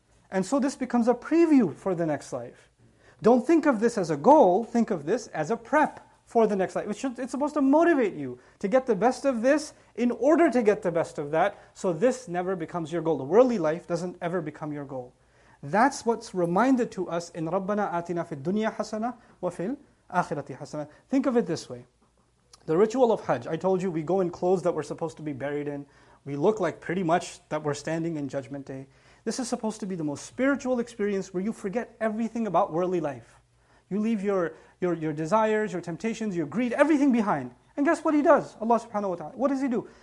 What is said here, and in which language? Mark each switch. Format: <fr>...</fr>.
<en>And so this becomes a preview for the next life. Don't think of this as a goal, think of this as a prep for the next life. It's supposed to motivate you to get the best of this in order to get the best of that, so this never becomes your goal. The worldly life doesn't ever become your goal. That's what's reminded to us in</en> <ar>رَبَّنَا آتِنَا فِي الدُّنْيَا حَسَنَةً وَفِي الْآخِرَةِ حَسَنَةً.</ar> <en>Think of it this way. The ritual of Hajj, I told you we go in clothes that we're supposed to be buried in. We look like pretty much that we're standing in Judgment Day. This is supposed to be the most spiritual experience where you forget everything about worldly life. You leave your desires, your temptations, your greed, everything behind. And guess what He does? Allah subhanahu wa ta'ala. What does He do?</en>